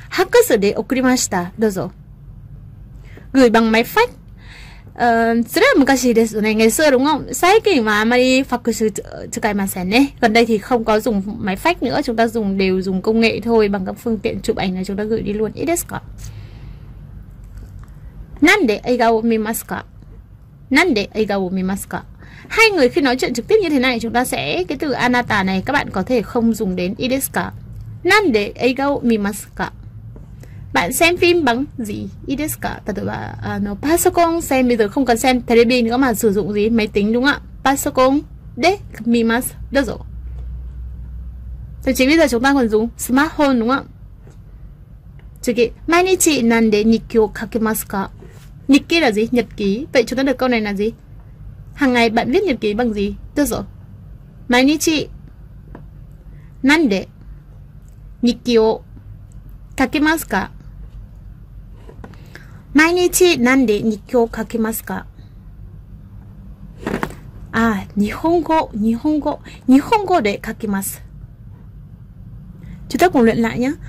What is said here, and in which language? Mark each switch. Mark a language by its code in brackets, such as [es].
[ja] Hacks で送りました。 [vi] どうぞ。Gửi bằng máy fax. [ja] それは昔ですね. [vi] Ngày xưa đúng không? [ja] 最近はあまり fax 使いませんね. [vi] Gần đây thì không có dùng máy fax nữa. Chúng ta dùng đều dùng công nghệ thôi. Bằng các phương tiện chụp ảnh là chúng ta gửi đi luôn. [ja] いいですか? なんで映画を見ますか?なんで映画を見ますか? [vi] Hai người khi nói chuyện trực tiếp như thế này, chúng ta sẽ cái từ anata này các bạn có thể không dùng đến. [ja] いいですか? なんで映画を見ますか? [vi] Bạn xem phim bằng gì? [ja] いいですか? [vi] Tại tôi bảo, パソコン xem, bây giờ không cần xem テレビ nữa mà sử dụng gì? Máy tính đúng không ạ? [ja] パソコンで見ます。どうぞ。 [vi] Thậm chí bây giờ chúng ta còn dùng smartphone đúng không ạ? [ja] 次、毎日なんで日記を書きますか? [vi] 日記là gì? Nhật ký. Vậy chúng ta được câu này là gì? Hàng ngày bạn viết nhật ký bằng gì? [ja] どうぞ。毎日なんで日記を書きますか? 毎日なんで日記を書きますか? あ、日本語、日本語、日本語で書きます。ちょっとこれ何や?